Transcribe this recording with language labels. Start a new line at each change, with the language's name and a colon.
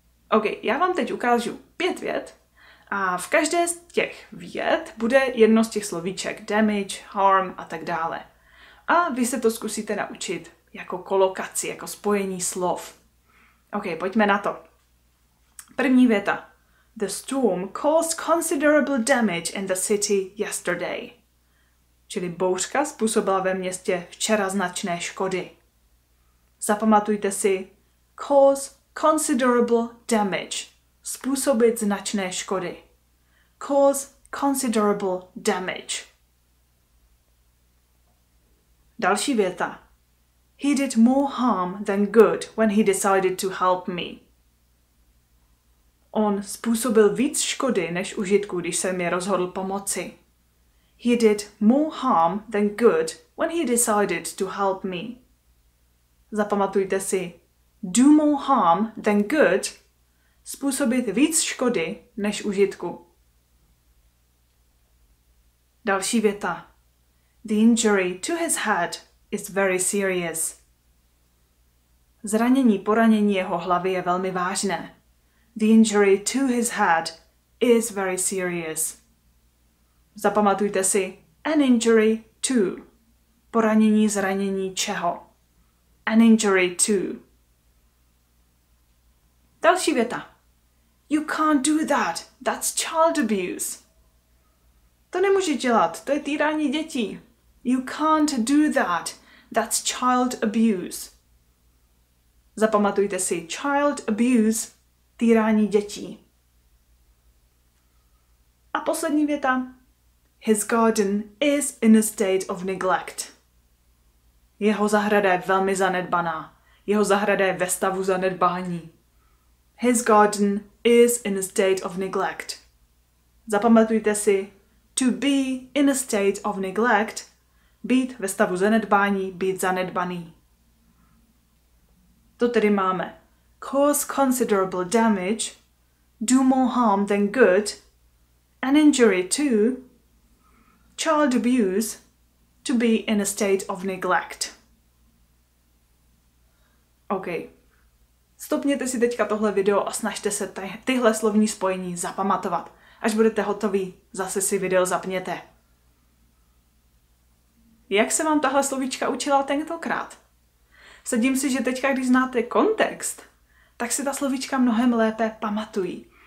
Czech: OK, já vám teď ukážu 5 vět a v každé z těch vět bude jedno z těch slovíček damage, harm a tak dále. A vy se to zkusíte naučit jako kolokaci, jako spojení slov. OK, pojďme na to. První věta.
English: The storm caused considerable damage in the city yesterday.
Czech: Čili bouřka způsobila ve městě včera značné škody. Zapamatujte si
English: cause considerable damage.
Czech: Způsobit značné škody.
English: Cause considerable damage.
Czech: Další věta.
English: He did more harm than good when he decided to help me.
Czech: On způsobil víc škody než užitku, když se mi rozhodl pomoci.
English: He did more harm than good when he decided to help me.
Czech: Zapamatujte si.
English: Do more harm than good.
Czech: Způsobit víc škody než užitku. Další věta.
English: The injury to his head is very serious.
Czech: Zranění, poranění jeho hlavy je velmi vážné.
English: The injury to his head is very serious.
Czech: Zapamatujte si
English: an injury to.
Czech: Poranění, zranění čeho.
English: An injury to.
Czech: Další věta.
English: You can't do that. That's child abuse.
Czech: To nemůže dělat. To je týrání dětí.
English: You can't do that. That's child abuse.
Czech: Zapamatujte si child abuse, týrání dětí. A poslední věta.
English: His garden is in a state of neglect.
Czech: Jeho zahrada je velmi zanedbaná. Jeho zahrada je ve stavu zanedbání.
English: His garden is in a state of neglect.
Czech: Zapamatujte si,
English: to be in a state of neglect,
Czech: být ve stavu zanedbání, být zanedbaný. To tedy máme.
English: Cause considerable damage, do more harm than good, an injury to, child abuse, to be in a state of neglect. OK.
Czech: Stopněte si teďka tohle video a snažte se tyhle slovní spojení zapamatovat. Až budete hotoví, zase si video zapněte. Jak se vám tahle slovíčka učila tentokrát? Sedím si, že teďka, když znáte kontext, tak si ta slovíčka mnohem lépe pamatují.